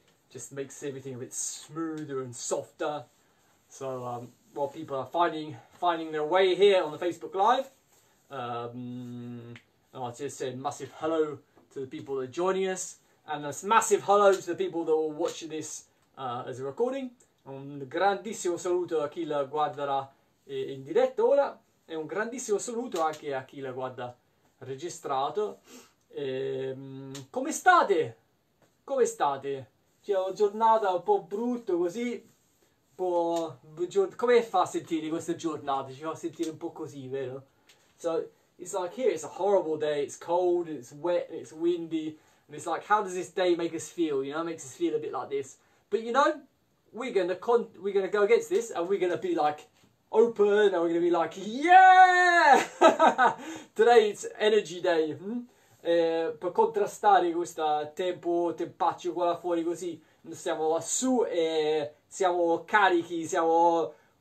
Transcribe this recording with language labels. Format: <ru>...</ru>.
<en>Just makes everything a bit smoother and softer. So while people are finding their way here on the Facebook Live, I'll just say a massive hello to the people that are joining us, and a massive hello to the people that will watch this as a recording.</en> <it>Un grandissimo saluto a chi la guarderà in diretta ora, e un grandissimo saluto anche a chi la guarda registrato. Come state? Come state? C'è una giornata un po' brutta così, un po'. Come fa a sentire questa giornata? Ci fa sentire un po' così, vero?</it> <en>So, it's like here, it's a horrible day, it's cold, it's wet, it's windy, and it's like, how does this day make us feel? You know, it makes us feel a bit like this. But you know, we're gonna go against this, and we're gonna be like, open, and we're gonna be like, yeah! Today it's energy day.</en> <it>Per contrastare questo tempo tempaccio qua fuori così, siamo lassù e siamo carichi, siamo.</it>